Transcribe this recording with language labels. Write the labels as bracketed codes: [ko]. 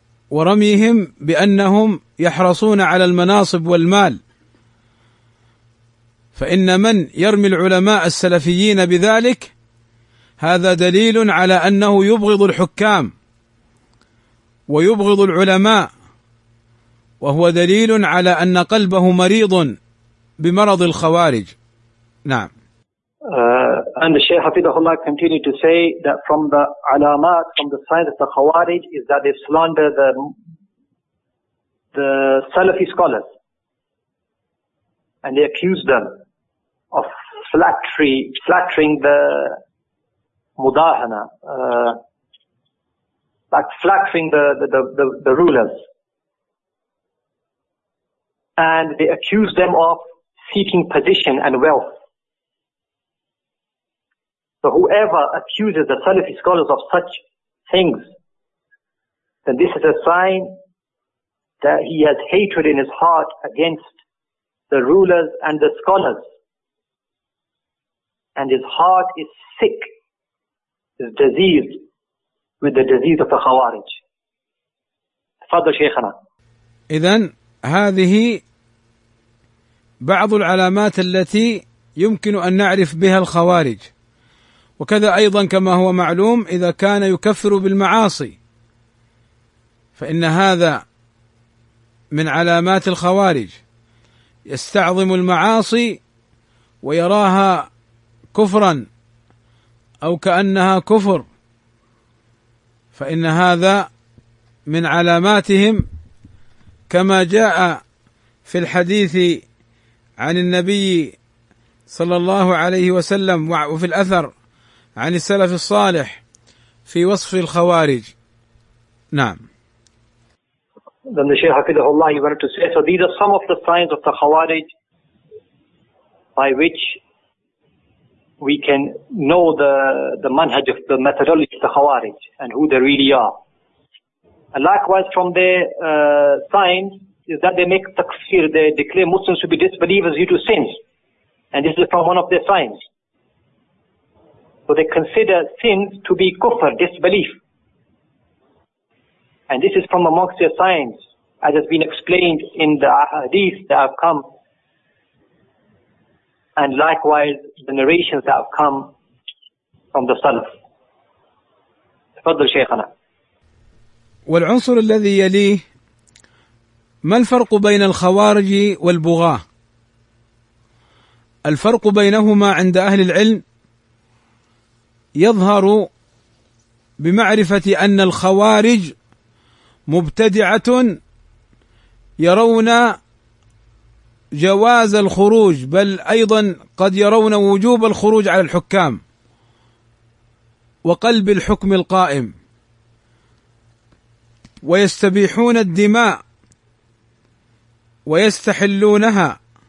[ar] ورميهم بأنهم يحرصون على المناصب والمال، فإن من يرمي العلماء السلفيين بذلك هذا دليل على أنه يبغض الحكام ويبغض العلماء، وهو دليل على أن قلبه مريض بمرض الخوارج. نعم. [en] And the Shaykh Hafidhullah continued to say that from the علامات, from the signs of the خوارج, is that they slander the Salafi scholars, and they accuse them of flattering the مداهنة, like flattering the rulers. And they accuse them of seeking position and wealth. So whoever accuses the Salafi scholars of such things, then this is a sign that he has hatred in his heart against the rulers and the scholars. And his heart is sick, is diseased with the disease of the Khawarij. [ar] Father Shaykhana. إذن هذه بعض العلامات التي يمكن أن نعرف بها الخوارج، وكذا أيضا كما هو معلوم إذا كان يكفر بالمعاصي فإن هذا من علامات الخوارج، يستعظم المعاصي ويراها كفرا أو كأنها كفر، فإن هذا من علاماتهم، كما جاء في الحديث عن النبي صلى الله عليه وسلم وفي الأثر عن السلف الصالح في وصف الخوارج. نعم. [en] Then the Shaykh Hafidhullah, he wanted to say, so these are some of the signs of the Khawarij by which we can know the manhaj of the methodology of the Khawarij and who they really are. And likewise from their signs, is that they make takfir, they declare Muslims to be disbelievers due to sins. And this is from one of their signs. So they consider sins to be kufr, disbelief. And this is from amongst their signs, as has been explained in the hadith that have come, and likewise the narrations that have come from the Salaf. [ar] Tafadhal Shaykhana. والعنصر الذي يليه، ما الفرق بين الخوارج والبغاة؟ الفرق بينهما عند أهل العلم يظهر بمعرفة أن الخوارج مبتدعة يرون جواز الخروج، بل أيضا قد يرون وجوب الخروج على الحكام وقلب الحكم القائم، ويستبيحون الدماء ويستحلونها.